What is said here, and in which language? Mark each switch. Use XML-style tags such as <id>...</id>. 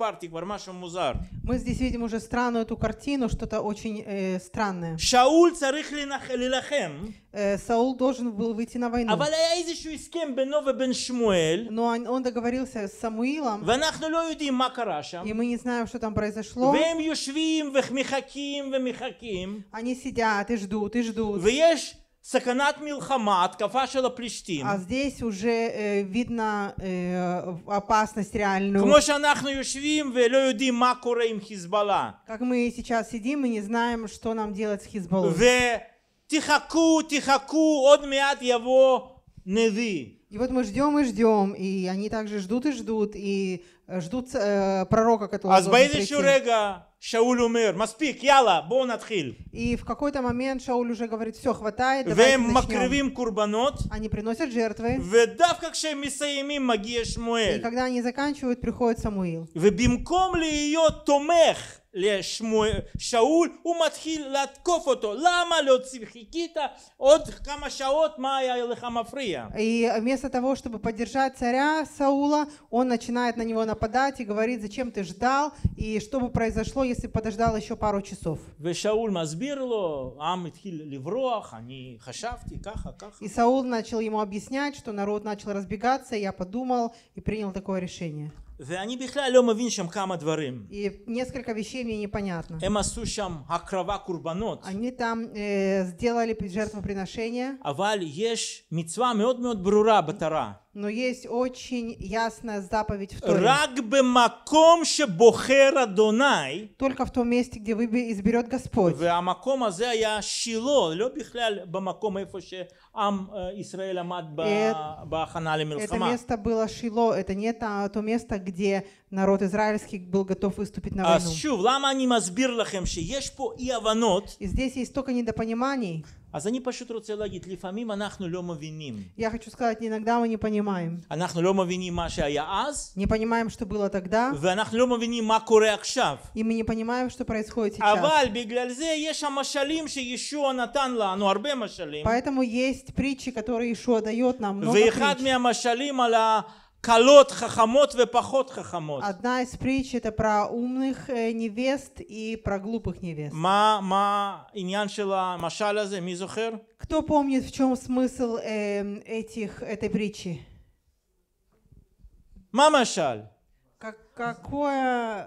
<ru>Мы здесь видим уже странную эту картину, что-то очень странное.</ru> <he>Шауль царих лилахем.</he> <ru>Саул должен был выйти на войну.</ru> <he>Аבל היה איזשהו הסכם בינו ובין שמואל.</he> <ru>Но он договорился с Самуилом.</ru> <he>ואנחנו לא יודעים מה קרה שם.</he> <ru>И мы не знаем, что там произошло.</ru> <he>והם יושבים ומחכים ומחכים.</he> <ru>Они сидят и ждут, и ждут.</ru> <he>ויש סכנת מלחמה, התקפה של הפלישתים.</he> <ru>А здесь уже видно опасность реальную.</ru> <he>כמו שאנחנו יושבים ולא יודעים מה קורה עם חיזבאללה.</he> <ru>Как мы сейчас сидим и не знаем, что нам делать с Хизбаллой.</ru> <he>ותחכו, תחכו, עוד מעט יבוא נביא.</he> <ru>И вот мы ждем и ждем, и они также ждут и ждут, и ждут пророка, который должен прийти.</ru> <he>אז באיזשהו רגע שאול אומר, מספיק, יאללה, בואו נתחיל.</he> <ru>И в какой-то момент Шауль уже говорит, все, хватает, давайте начнем.</ru> <he>והם מקריבים קורבנות.</he> <ru>Они приносят жертвы.</ru> <he>ודווקא כשהם מסיימים מגיע שמואל.</he> <ru>И когда они заканчивают, приходит Самуил.</ru> <he>ובמקום להיות תומך לשאול, הוא מתחיל לתקוף אותו. למה לא חיכית עוד כמה שעות, מה היה לך מפריע?</he> <ru>И вместо того, чтобы поддержать царя Саула, он начинает на него нападать и говорит, зачем ты ждал, и что бы произошло, если бы подождал еще пару часов.</ru> <he>ושאול מסביר לו, עם התחיל לברוח, אני חשבתי ככה, ככה.</he> <ru>И Саул начал ему объяснять, что народ начал разбегаться, я подумал и принял такое решение.</ru> <he>ואני בכלל לא מבין שם כמה דברים.</he> <ru>И несколько вещей мне непонятно.</ru> <he>הם עשו שם הקרבה קורבנות.</he> <ru>Они там сделали жертвоприношение.</ru> <he>אבל יש מצווה מאוד מאוד ברורה בתורה.</he> <ru>Но есть очень ясная заповедь в Торе.</ru> <he>רק במקום שבוחר אדוני.</he> <ru>Только в том месте, где изберет Господь.</ru> <he>והמקום הזה היה שילו, לא בכלל במקום איפה ש... עם ישראל עמד בהכנה למלחמה.</he> <ru>Это место было Шило, это не то место, где народ израильский был готов выступить на войну. А что,</ru> <he>למה אני מסביר לכם שיש פה אי הבנות?</he> <ru>И здесь есть столько недопониманий.</ru> <he>אז אני פשוט רוצה להגיד, לפעמים אנחנו לא מבינים.</he> <ru>Я хочу сказать, иногда мы не понимаем.</ru> <he>אנחנו לא מבינים מה שהיה אז.</he> <ru>Не понимаем, что было тогда.</ru> <he>ואנחנו לא מבינים מה קורה עכשיו.</he> <ru>И мы не понимаем, что происходит сейчас.</ru> <he>אבל בגלל זה יש המשלים שישוע נתן לנו, הרבה משלים.</he> <ru>Поэтому есть притчи, которые Ишуа дает нам, много притч.</ru> <he>ואחד מהמשלים על הקלות חכמות ופחות חכמות.</he> <ru>Одна из притч это про умных невест и про глупых невест.</ru> <he>מה העניין של המשל הזה? מי זוכר?</he> <ru>Кто помнит, в чем смысл этой притчи?</ru> <he>מה המשל?</he> <ru>Какое...</ru>